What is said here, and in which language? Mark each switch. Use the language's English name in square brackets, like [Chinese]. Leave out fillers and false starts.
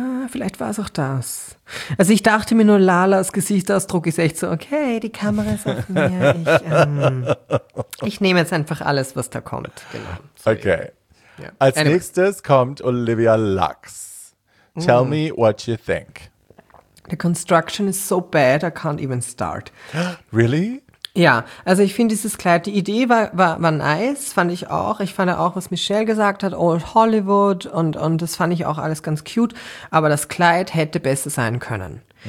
[German] Vielleicht war es auch das. Also ich dachte mir nur, Lalas Gesichtsausdruck ist echt so, okay, die Kamera ist auf mir, ich nehme jetzt einfach alles, was da kommt. Genau. So, okay, als nächstes kommt Olivia Lux. [English] Tell me what you think. The construction is so bad, I can't even start. Really? [German] Ja, also ich finde dieses Kleid, die Idee war nice, fand ich auch. Ich fand auch, was Michelle gesagt hat, Old Hollywood und das fand ich auch alles ganz cute. Aber das Kleid hätte besser sein können.